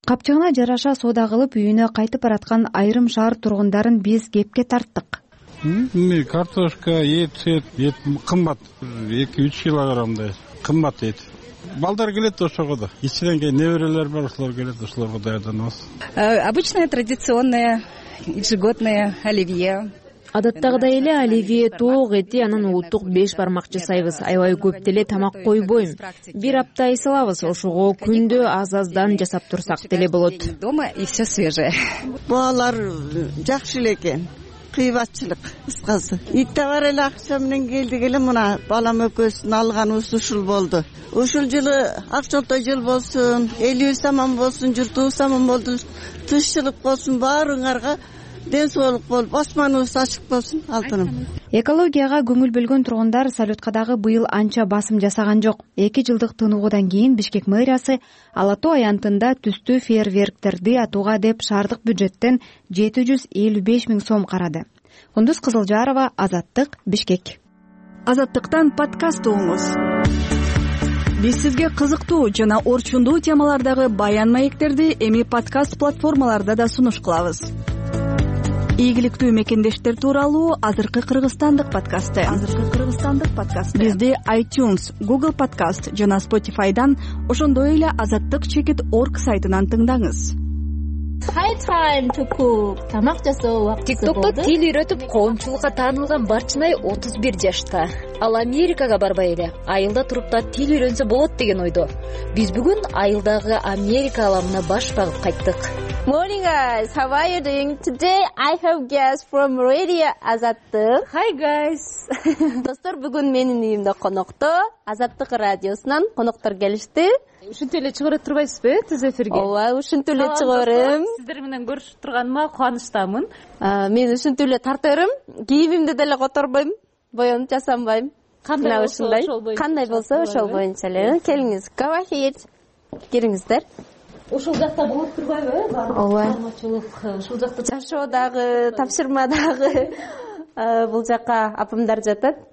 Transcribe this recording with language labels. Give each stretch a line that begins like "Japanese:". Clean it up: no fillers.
Kyrgyz: Капчыгына жараша соода кылып үйүнө кайтып бараткан айрым шаар тургундарын биз кепке тарттык. Картошка, эт кымбат, 2-3 килограммдай кымбат эт. Балдар келет ошого да. Ичинен кийин неберелер бар, ошолор келет, ошолорго даярданабыз.
Russian: Обычное традиционное ежегодное оливье.
Kyrgyz: Адаттагыдай эле оливье, тоок эти, анан улуттук беш бармакчы сайбыз. Аябай көп деле тамак койбойм. Бир апта эсалабыз, ошого күндө аз-аздан жасап турсак деле болот.
Russian: Дома и все свежее.
Kyrgyz: Баалар жакшы эле экен. кыйбатчылык кыскасы. Ит товар эле акча менен келди келе мына балам өкөсүн алган ушул болду. Ушул жылы акчолтой жыл болсун, элибиз аман болсун, журтубуз аман болсун, тынччылык болсун, баарыңарга ден соолук болуп, асманыбыз ачык болсун алтыным. Экологияга көңүл бөлгөн тургундар салютка дагы быйыл анча басым жасаган жок. Эки жылдык тыныгуудан кийин Бишкек мэриясы Алатоо аянтында түстүү фейерверктерди атууга деп шаардык бюджеттен 755,000 сом карады. Кундуз Кызылжарова, Азаттык, Бишкек. Азаттыктан подкаст угуңуз. Биз сизге кызыктуу жана орчундуу темалардагы баян маектерди эми подкаст платформаларда да сунуш кылабыз. Ийгиликтүү мекендештер тууралуу азыркы кыргызстандык подкасты. Бизди iTunes, Google Podcast жана Spotify'дан, ошондой эле азаттык чекит орг сайтынан тыңдаңыз.
English: High time to cook.
Kyrgyz: Тамак жасоо вакыты болду. TikTokто тил үйрөтүп коомчулукка таанылган Барчынай 31 жашта. Ал Америкага барбай эле, айылда туруп да тил үйрөнсө болот деген ойдо. Биз бүгүн айылдагы Америка аламына баш багып кайттык.
English: Morning guys, how are you doing? Today I have guests from Radio Азаттык. Hi guys.
Kyrgyz: Достор, бүгүн менин үйүмдө конокто, Азаттык радиосунан коноктор келишти. Ушинтип эле чыгарып турбайсызбы түз эфирге? Ооба, ушинтип эле чыгарым. Сиздер менен көрүшүп турганыма кубанычтамын. Мен ушинтип эле тарта берем. Кийимимди деле которбойм, боёнуп жасанбайм. Кандай болсо кандай болсо ошол боюнча эле. Келиңиз, кавахир. Кириңиздер. Ушул жакта болуп турбайбы? Ооба. Чарчоочулук ушул жакта жашоодагы, тапшырмадагы. Бул жакка апамдар жатат.